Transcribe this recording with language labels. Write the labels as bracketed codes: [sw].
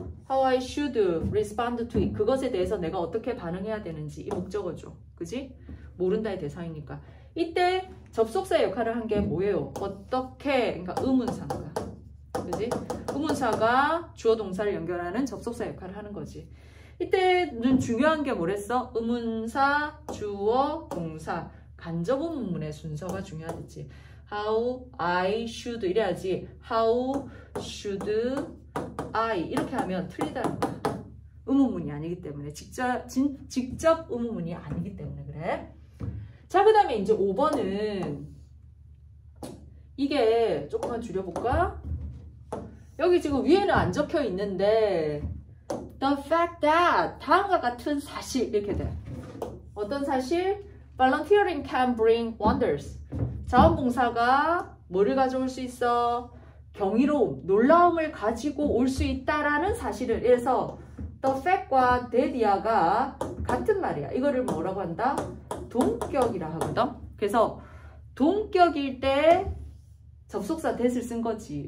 [en] How I should respond to it. [ko] 그것에 대해서 내가 어떻게 반응해야 되는지. 이 목적어죠. 그지? 모른다의 대상이니까. 이때 접속사의 역할을 한 게 뭐예요? 어떻게? 그러니까 의문사인 거야. 그지? 의문사가 주어 동사를 연결하는 접속사 역할을 하는 거지. 이때는 중요한 게 뭐랬어? 의문사, 주어, 동사. 간접 의문문의 순서가 중요하겠지. [en] How I should [ko] 이래야지. [en] How should I [ko] 이렇게 하면 틀리다는 거야. 의문문이 아니기 때문에. 직접 의문문이 아니기 때문에 그래. 자, 그 다음에 이제 5번은 이게 조금만 줄여볼까? 여기 지금 위에는 안 적혀 있는데 the fact that 다음과 같은 사실 이렇게 돼. 어떤 사실? [en] volunteering can bring wonders. [ko] 자원봉사가 뭐를 가져올 수 있어? 경이로움, 놀라움을 가지고 올 수 있다라는 사실을. 그래서 the fact과 that이야가 같은 말이야. 이거를 뭐라고 한다? 동격이라 하거든. 그래서 동격일 때 접속사 that을 쓴 거지.